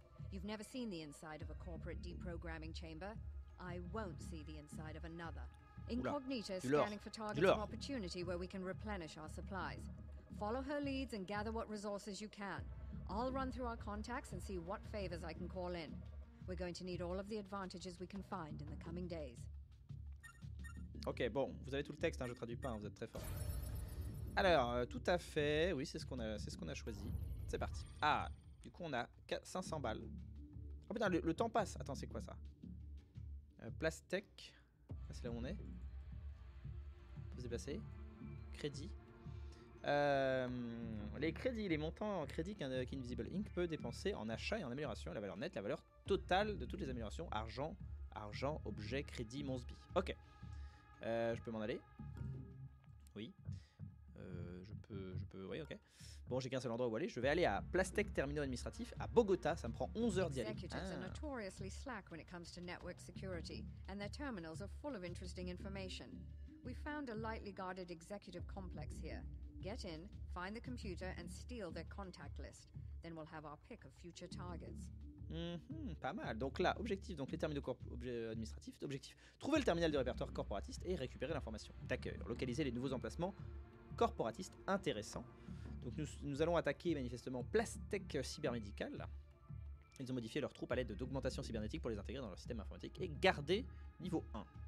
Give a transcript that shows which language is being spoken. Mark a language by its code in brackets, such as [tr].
[en] You've never seen the inside of a corporate deprogramming chamber. I won't see the inside of another. Incognita is scanning for targets of opportunity where we can replenish our supplies. Follow her leads and gather what resources you can. I'll run through our contacts and see what favors I can call in. We're going to need all of the advantages we can find in the coming days. [fr] Ok, bon, vous avez tout le texte, hein, je traduis pas, hein, vous êtes très fort. Alors, tout à fait, oui, c'est ce qu'on a choisi. C'est parti. Ah, du coup, on a 500 balles. Oh putain, le temps passe. Attends, c'est quoi ça? Place Tech. Là, c'est là où on est. On peut se déplacer. Crédit. Les crédits, les montants en crédit qu'Invisible Inc. peut dépenser en achat et en amélioration. La valeur nette, la valeur totale de toutes les améliorations. Argent, objet, crédit, monsby. Ok. Je peux m'en aller. Oui. Je peux. Oui, ok. Bon, j'ai qu'un seul endroit où aller. Je vais aller à Plastec Terminal Administratif à Bogota. Ça me prend 11 heures d'y aller. [en] Executives are notoriously slack when it comes to network security, and their terminals are full of interesting information. We found a lightly guarded executive complex here. Get in, find the computer, and steal their contact list. Then we'll have our pick of future targets. [fr] Pas mal. Donc là, objectif, donc les terminaux administratifs, objectif, trouver le terminal de répertoire corporatiste et récupérer l'information. D'accord. Localiser les nouveaux emplacements corporatistes intéressants. Donc nous allons attaquer manifestement Plastec Cybermédical. Ils ont modifié leurs troupes à l'aide d'augmentations cybernétiques pour les intégrer dans leur système informatique et garder niveau 1.